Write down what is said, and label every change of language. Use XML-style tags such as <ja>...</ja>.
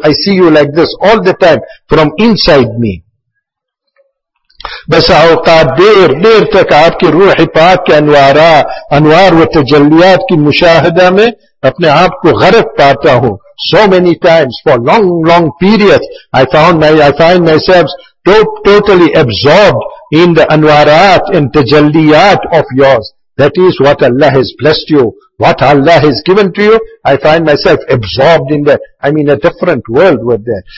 <en>I see you like this all the time from inside me.</en> <ur>بس اوقات دیر دیر تک آپ کی روح پاک کے انوار و تجلیات کی مشاہدہ میں اپنے آپ کو غرق پاتا ہوں.</ur> <en>So many times for long periods I find myself totally absorbed in the انوارات and تجلیات of yours. That is what Allah has blessed you, what Allah has given to you. I find myself absorbed in that. I mean, a different world with that.</en>